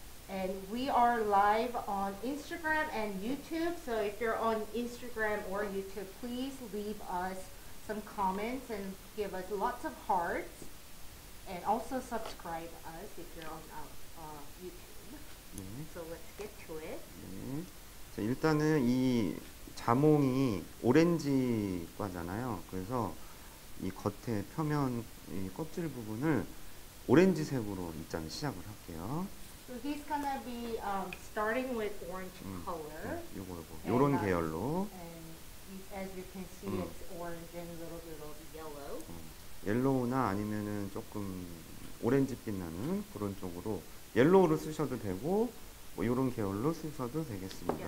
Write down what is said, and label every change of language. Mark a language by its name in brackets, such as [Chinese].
[English] And we are live on Instagram and YouTube, so if you're on Instagram or YouTube, please leave us some comments and give us lots of hearts. And also subscribe us if you're on YouTube. 네. So let's get to it. 네. [Korean] 자, 일단은 이 자몽이 오렌지과잖아요. 그래서 이 겉에 표면 이 껍질 부분을 오렌지색으로 일단 시작을 할게요. [English] So he's gonna be starting with orange color. [Korean] 요거 요런 계열로. [English] And as you can see, it's orange and a little bit of yellow. [Korean] 옐로우나 아니면은 조금 오렌지 빛나는 그런 쪽으로 옐로우를 쓰셔도 되고 뭐 요런 계열로 쓰셔도 되겠습니다.